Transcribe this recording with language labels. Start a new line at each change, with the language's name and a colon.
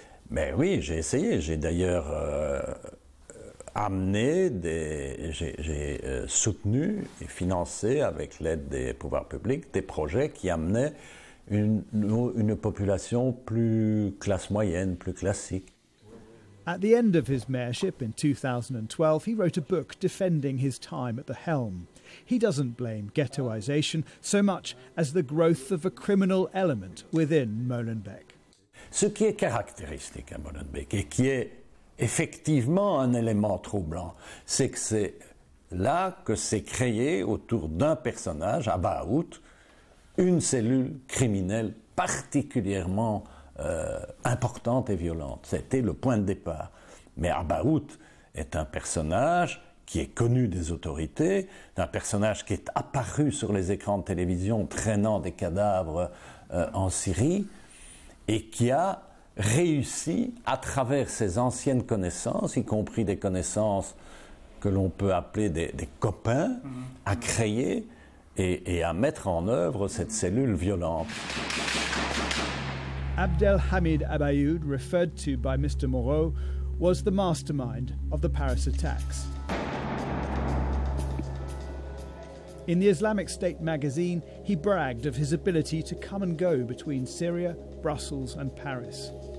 French: Mais oui, j'ai essayé. J'ai d'ailleurs amené des... J'ai soutenu et financé, avec l'aide des pouvoirs publics, des projets qui amenaient une population plus classe moyenne, plus classique.
English: At the end of his mayorship in 2012, he wrote a book defending his time at the helm. He doesn't blame ghettoisation so much as the growth of a criminal element within Molenbeek.
French: Ce qui est caractéristique à Molenbeek et qui est effectivement un élément troublant, c'est que c'est là que s'est créé autour d'un personnage, à Baout, une cellule criminelle particulièrement importante et violente. C'était le point de départ. Mais Abaout est un personnage qui est connu des autorités, un personnage qui est apparu sur les écrans de télévision traînant des cadavres en Syrie et qui a réussi, à travers ses anciennes connaissances, y compris des connaissances que l'on peut appeler des copains, à créer et à mettre en œuvre cette cellule violente.
English: Abdelhamid Abayoud, referred to by Mr. Moreau, was the mastermind of the Paris attacks. In the Islamic State magazine, he bragged of his ability to come and go between Syria, Brussels, and Paris.